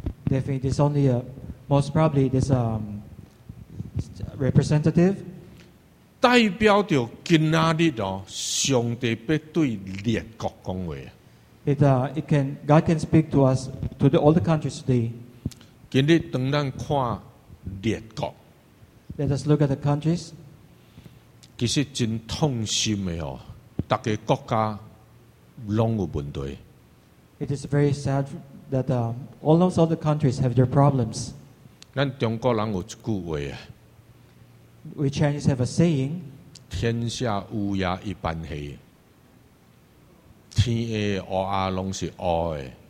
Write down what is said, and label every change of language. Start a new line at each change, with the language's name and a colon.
English: Definitely, it's only a most probably this representative.
Min Nan Chinese: 代表着今仔日哦，上帝要对列国讲话。
English: God can speak to us to all the countries today.
Min Nan Chinese: 今日当咱看列国。
English: Let us look at the countries.
Min Nan Chinese: 其实真痛心的哦，大家国家拢有问题。
English: It is very sad that almost all the countries have their problems.
Min Nan Chinese: 咱中国人有一句话啊。
English: We Chinese have a saying.
Min Nan Chinese: 天下乌鸦一般黑，天下乌鸦拢是乌的。